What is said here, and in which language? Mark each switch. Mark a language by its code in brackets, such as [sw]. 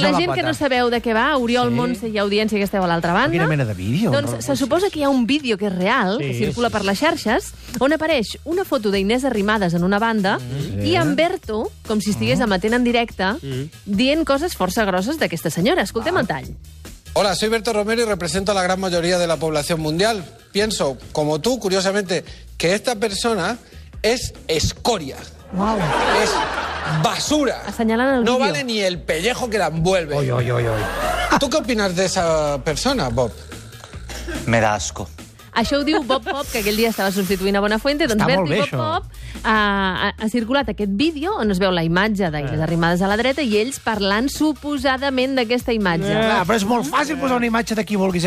[ca] la gent que no sabeu de què va, Oriol Montse i audiència que esteu a l'altra banda. Quina mena de vídeo? Doncs se suposa que hi ha un vídeo que és real, que circula per les xarxes, on apareix una foto d'Inés Arrimadas en una banda i amb Berto, com si estigués emetent en directe, dient coses força grosses d'aquesta senyora. Escoltem el tall. [es] Hola, soy Berto Romero y represento a la gran mayoría de la población mundial. Pienso, como tú, curiosamente, que esta persona es escoria. Es basura. [ca] Assenyalant el vídeo. [es] No vale ni el pellejo que la envuelve. ¿Tú qué opinas de esa persona, Bob? Me da asco. [ca] Això ho diu Bob Pop, que aquell dia estava substituint a Bonafuente. Doncs Berto i Bob Pop ha circulat aquest vídeo on es veu la imatge d'Inés Arrimadas a la dreta i ells parlant suposadament d'aquesta imatge. Però és molt fàcil posar una imatge d'aquí vulguis.